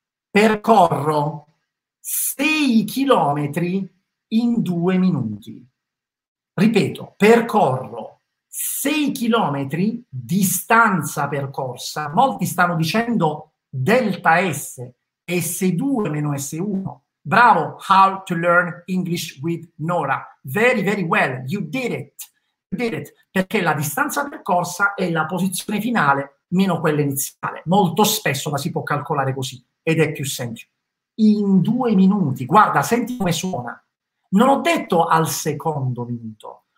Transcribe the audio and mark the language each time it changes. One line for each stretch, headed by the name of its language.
Italian: Percorro 6 chilometri in 2 minuti. Ripeto, percorro 6 chilometri, distanza percorsa. Molti stanno dicendo delta S, S2 meno S1.
English: Bravo, how to learn English with Nora. Very, very well. You did it. You did it.
Italian: Perché la distanza percorsa è la posizione finale meno quella iniziale. Molto spesso la si può calcolare così ed è più semplice. In 2 minuti. Guarda, senti come suona. Non ho detto al secondo minuto.